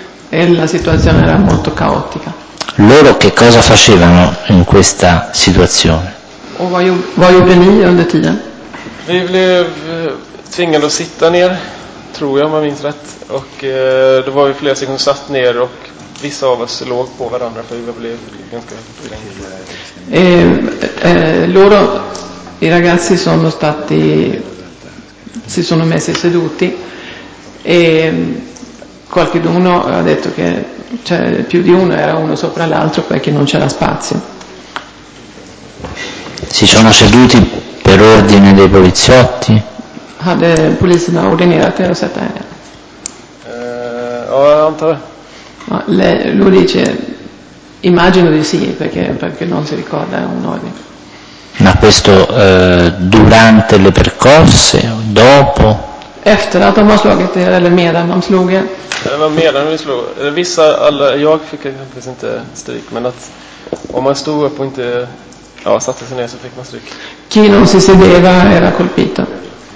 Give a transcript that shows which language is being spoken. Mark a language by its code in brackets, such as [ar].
[it] E la situazione era molto caotica. Loro che cosa facevano in questa situazione? [sv] O vad gjorde ni under tiden? Vi blev tvingade att sitta ner, tror jag, om jag minns rätt. Och då var vi flera stycken satt ner och vissa av oss låg på varandra, för vi blev ganska länge. [it] Loro, i ragazzi, sono stati, si sono messi seduti e qualcuno ha detto che c'è più di uno, era uno sopra l'altro perché non c'era spazio. Si sono seduti per ordine dei poliziotti? [sv] Hade polisen ordinerat det att sätta er? Ja, jag antar det. [it] Lui dice, immagino di sì, perché non si ricorda un ordine. Ma questo durante le percorse, dopo? [sv] Efter att de har slagit er, eller medan de slog er? Det var medan vi slog. Vissa, alla, jag fick faktiskt inte stryk, men att om man stod upp och inte satte sig ner så fick man stryk. [it] Chi non si sedeva era colpito.